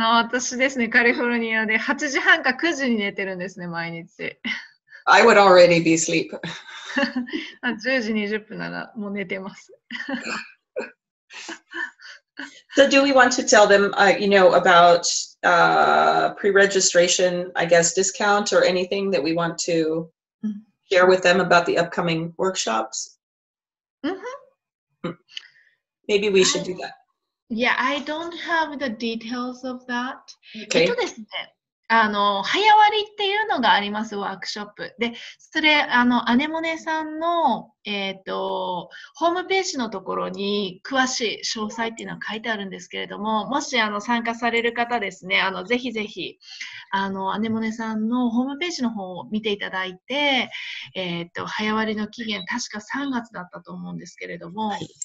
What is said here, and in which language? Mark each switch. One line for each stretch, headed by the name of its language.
Japanese: 私ですね、カリフォルニアで8時半か9時に寝てるんですね、毎日。
English: I would already be asleep.
Japanese: 10時20分ならもう寝てます。
English: So do we want to tell them, you know, about pre-registration, I guess, discount or anything that we want to share with them about the upcoming workshops? Mm-hmm. Maybe we should do that. Yeah, I don't have the details of that. Okay.
Japanese: 早割りっていうのがあります、ワークショップで。それアネモネさんの、ホームページのところに詳しい詳細っていうのは書いてあるんですけれども、もし参加される方ですね、ぜひぜひアネモネさんのホームページの方を見ていただいて、早割りの期限確か3月だったと思うんですけれども、はい、